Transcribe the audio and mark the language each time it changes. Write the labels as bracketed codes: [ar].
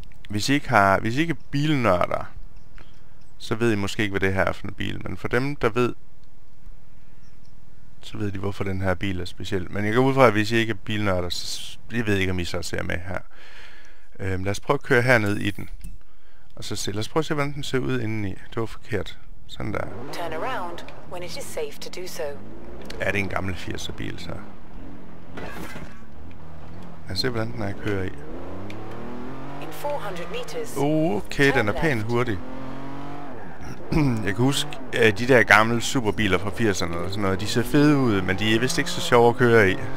[da] Hvis I ikke er bilnørder, så ved I måske ikke, hvad det her er for en bil. Men for dem, der ved, så ved de, hvorfor den her bil er speciel. Men jeg går ud fra, at hvis I ikke er bilnørder, så jeg ved ikke, om I så ser med her. Lad os prøve at køre herned i den. Og så se. Lad os prøve at se, hvordan den ser ud indeni. Det var forkert. Sådan der. [en] Turn around when it is safe to do so. [da] Ja, det er en gammel 80'er bil, så. Lad os se, hvordan den er, jeg kører i. [en] In 400 meters, [da] okay, den er pænt hurtig. Jeg kan huske, at de der gamle superbiler fra 80'erne og sådan noget, de ser fede ud, men de er vist ikke så sjove at køre i.